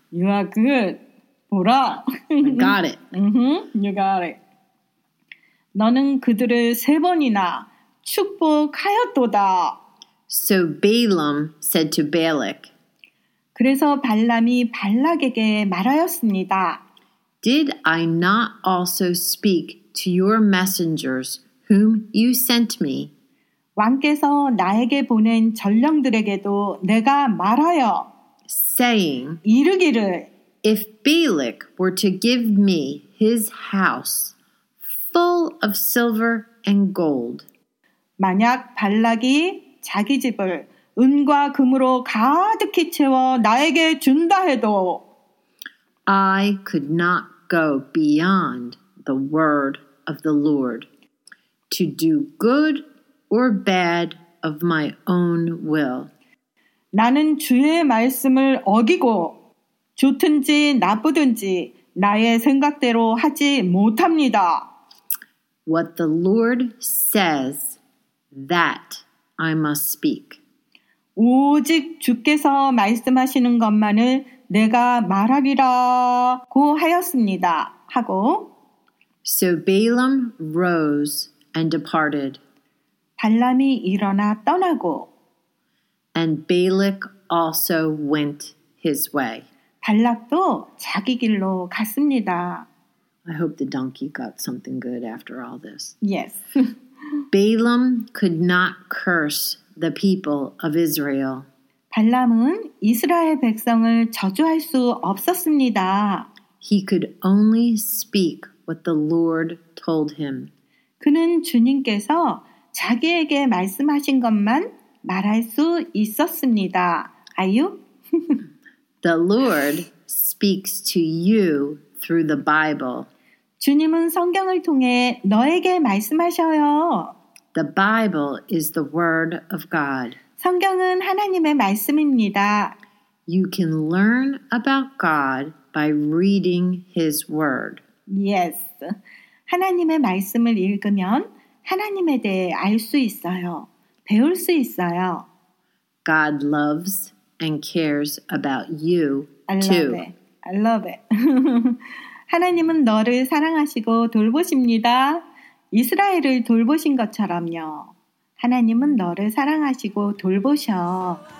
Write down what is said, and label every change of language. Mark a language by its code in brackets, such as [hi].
[en] You are good. [ko] 보라. [en] I got it. Mm-hmm. You got it. [ko] 너는 그들을 세 번이나 축복하였도다. [en] So Balaam said to Balak. [ko] 그래서 발람이 발락에게 말하였습니다. [en] Did I not also speak to your messengers whom you sent me? [ko] 왕께서 나에게 보낸 전령들에게도 내가 말하여 [en] saying [ko] 이르기를 [en] If Balak were to give me his house full of silver and gold [ko] 만약 발락이 자기 집을 은과 금으로 가득히 채워 나에게 준다 해도 [en] I could not go beyond the word of the Lord to do good or bad of my own will. [ko] 나는 주의 말씀을 어기고 좋든지 나쁘든지 나의 생각대로 하지 못합니다. [en] What the Lord says, that I must speak. [ko] 오직 주께서 말씀하시는 것만을 내가 말하리라고 하였습니다. 하고 [en] So Balaam rose and departed. [ko] 발람이 일어나 떠나고 [en] And Balak also went his way. [ko] 발락도 자기 길로 갔습니다. [en] I hope the donkey got something good after all this. Yes. Balaam could not curse the people of Israel. [ko] 발람은 이스라엘 백성을 저주할 수 없었습니다. [en] He could only speak what the Lord told him. [ko] 그는 주님께서 자기에게 말씀하신 것만 말할 수 있었습니다. [en] Are you? The Lord speaks to you through the Bible. [ko] 주님은 성경을 통해 너에게 말씀하셔요. [en] The Bible is the word of God. [ko] 성경은 하나님의 말씀입니다. [en] You can learn about God by reading His Word. Yes. [ko] 하나님의 말씀을 읽으면 하나님에 대해 알 수 있어요. 배울 수 있어요. [en] God loves and cares about you too. I love it. [ko] 하나님은 너를 사랑하시고 돌보십니다. 이스라엘을 돌보신 것처럼요. 하나님은 너를 사랑하시고 돌보셔.